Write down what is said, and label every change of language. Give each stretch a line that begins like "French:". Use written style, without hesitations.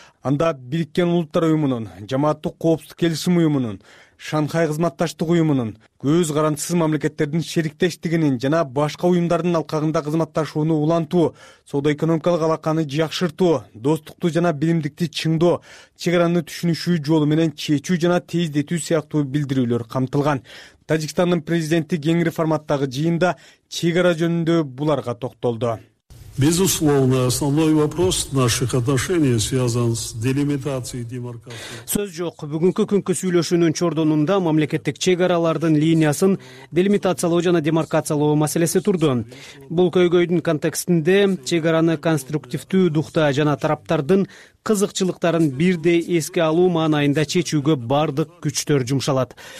Kyrgyz: Анда Бириккен Улуттар Уюмунун, Жамааттык Коопсуздук Келишим Уюмунун, Шанхай Кызматташтык Уюмунун, көз карандысыз мамлекеттердин шериктештигинин жана башка уюмдардын алкагында кызматташууну улантуу, соода экономикалык алаканы жакшыртуу, достукту жана биримдикти чыңдоо, чек араны түшүнүшүү жолу менен чечүү жана тездетүү сыяктуу билдирүүлөр камтылган. Тажикстандын президенти кеңири форматтагы жыйында чек ара жөнүндө буларга токтолду.
Russian: Безусловно, основной вопрос наших отношений связан с делимитацией демаркации.
Kyrgyz: Сөз жок, бүгүнкү күнкү сүйлөшүүнүн чордонунда мамлекеттик чек аралардын линиясын делимитациялоо жана демаркациялоо маселеси турду. Бул көйгөйдүн контекстинде чек араны конструктивдүү дукта жана тараптардын кызыкчылыктарын бирдей эске алуу маанайында чечүүгө бардык күчтөр жумшалат.